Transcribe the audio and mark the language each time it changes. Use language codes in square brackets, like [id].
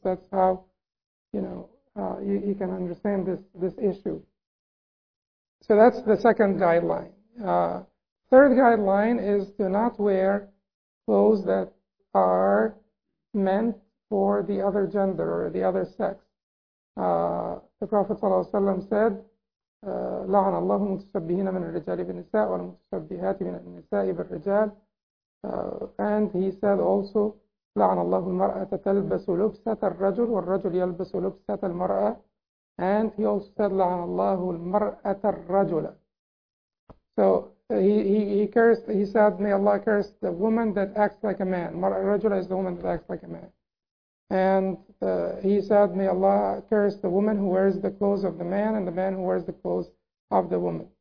[en] That's how, you know, you can understand this issue. So that's the second guideline. Third guideline is to not wear clothes that are meant for the other gender or the other sex. The Prophet ﷺ said, [ar] لَعَنَ اللَّهُ مُتَشَبِّهِينَ مِنَ الرِّجَالِ بِالنِّسَاءِ وَالْمُتَشَبِّهَاتِ مِنَ النِّسَاءِ بِالرِّجَالِ. [en] And he said also, [ar] لَعَنَ اللَّهُ الْمَرْأَةَ تَلْبَسُ لُبْسَةَ الرَّجُلِ وَالرَّجُلِ يَلْبَسُ لُبْسَةَ الْمَرْأَةِ. [en] And he also said, [ar] لَعَنَ اللَّهُ الْمَرْأَةَ الرَّجُلَ. [en] So he cursed, he said, may Allah curse the woman that acts like a man. [ar] مَرْأَةَ الرَّجُلَ [en] is the woman that acts like a man. And he said, may Allah curse the woman who wears the clothes of the man and the man who wears the clothes of the woman.